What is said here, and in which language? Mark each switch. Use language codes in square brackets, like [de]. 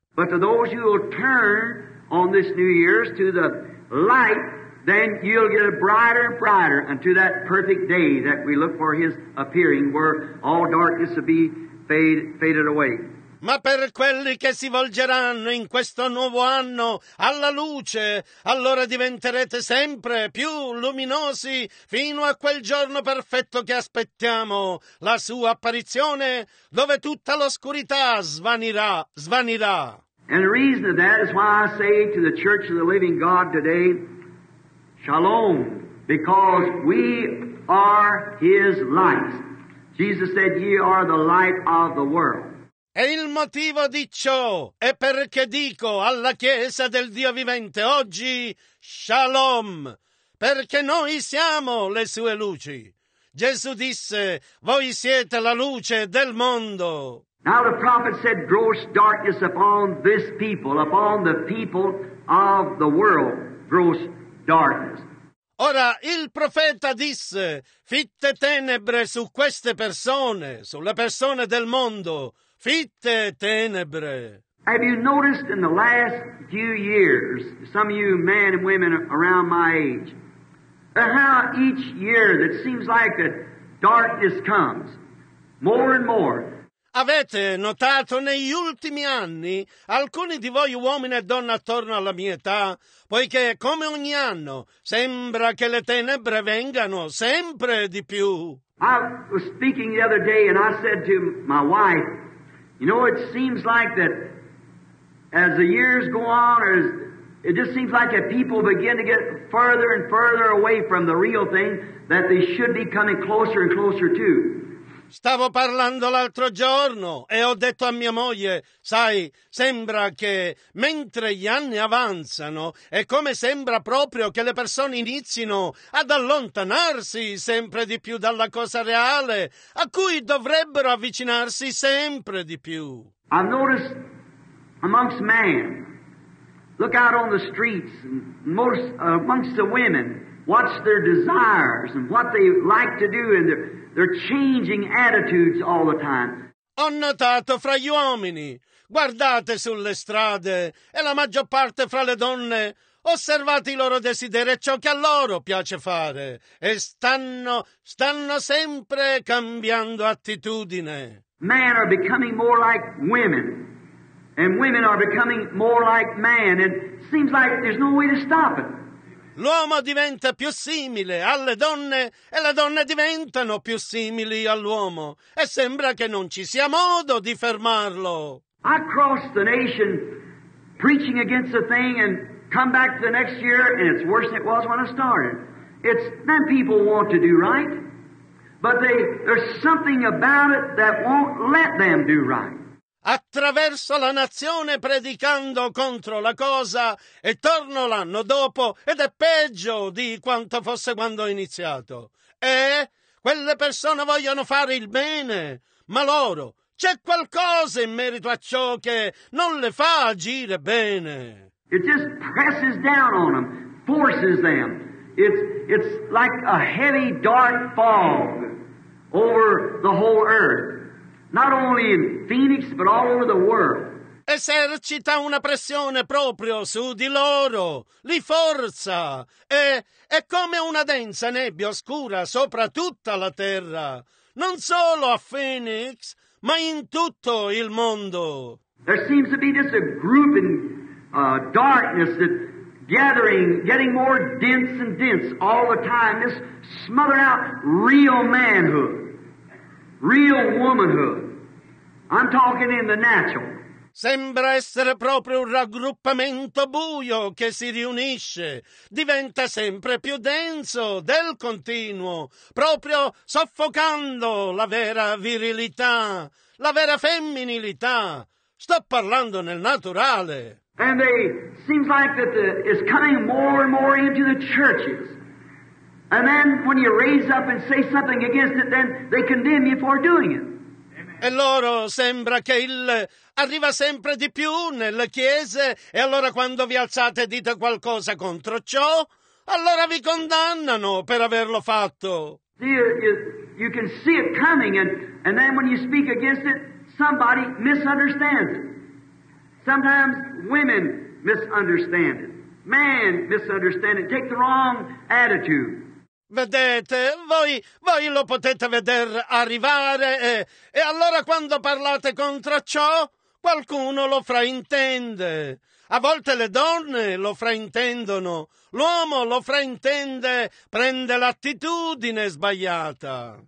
[en] But to those who will turn on this New Year's to the light, then you'll get brighter and brighter unto that perfect day that we look for his appearing, where all darkness will be faded away. [it] Ma per quelli che si volgeranno in questo nuovo anno alla luce, allora diventerete sempre più luminosi fino a quel giorno perfetto che aspettiamo, la sua apparizione, dove tutta l'oscurità svanirà. [en] And the reason of that is why I say to the Church of the Living God today, Shalom, because we are his light. Jesus said, ye are the light of the world. [it] E il motivo di ciò è perché dico alla Chiesa del Dio vivente oggi, Shalom, perché noi siamo le sue luci. Gesù disse, voi siete la luce del mondo. [en] Now the prophet said, gross darkness upon this people, upon the people of the world, gross darkness. [it] Ora, il profeta disse, fitte tenebre su queste persone, sulle persone del mondo, fitte tenebre. [en] Have you noticed in the last few years, some of you men and women around my age, how each year that seems like that darkness comes, more and more. [it] Avete notato negli ultimi anni, alcuni di voi uomini e donne attorno alla mia età, poiché come ogni anno sembra che le tenebre vengano sempre di più. [en] I was speaking the other day and I said to my wife, you know, it seems like that as the years go on, it just seems like that people begin to get further and further away from the real thing that they should be coming closer and closer to. [it] Stavo parlando l'altro giorno e ho detto a mia moglie, sai, sembra che mentre gli anni avanzano è come sembra proprio che le persone inizino ad allontanarsi sempre di più dalla cosa reale a cui dovrebbero avvicinarsi sempre di più. [en] I've noticed amongst men, look out on the streets, and most amongst the women, watch their desires and what they like to do in their... They're changing attitudes all the time. [it] Ho notato fra gli uomini, guardate sulle strade, e la maggior parte fra le donne, osservate i loro desideri e ciò che a loro piace fare, e stanno sempre cambiando attitudine. [en] Men are becoming more like women, and women are becoming more like men, and it seems like there's no way to stop it. [it] L'uomo diventa più simile alle donne e le donne diventano più simili all'uomo e sembra che non ci sia modo di fermarlo. [en] I crossed the nation preaching against the thing and come back the next year and it's worse than it was when I started. It's that people want to do right, but there's something about it that won't let them do right. [it] A attraverso la nazione predicando contro la cosa e torno l'anno dopo ed è peggio di quanto fosse quando ho iniziato. E quelle persone vogliono fare il bene, ma loro c'è qualcosa in merito a ciò che non le fa agire bene. [en] It just presses down on them, forces them. It's like a heavy dark fog over the whole earth. Not only in Phoenix, but all over the world. [it] Esercita una pressione proprio su di loro, li forza, e è come una densa nebbia oscura sopra tutta la terra, non solo a Phoenix, ma in tutto il mondo. [en] There seems to be just a grouping darkness that gathering, getting more dense and dense all the time, just smother out real manhood. Real womanhood. I'm talking in the natural. [it] Sembra essere proprio un raggruppamento buio che si riunisce. Diventa sempre più denso del continuo, proprio soffocando la vera virilità, la vera femminilità. Sto parlando nel naturale. [en] And they seems like that is coming more and more into the churches. And then when you raise up and say something against it, then they condemn you for doing it. [it] E loro sembra che il arriva sempre di più nelle chiese, e allora quando vi alzate e dite qualcosa contro ciò, allora vi condannano per averlo fatto. [en] See, you can see it coming, and then when you speak against it, somebody misunderstands it. Sometimes women misunderstand it. Man misunderstand it. Take the wrong attitude. [it] Vedete, voi lo potete veder arrivare e allora quando parlate contro ciò, qualcuno lo fraintende. A volte le donne lo fraintendono, l'uomo lo fraintende, prende l'attitudine sbagliata.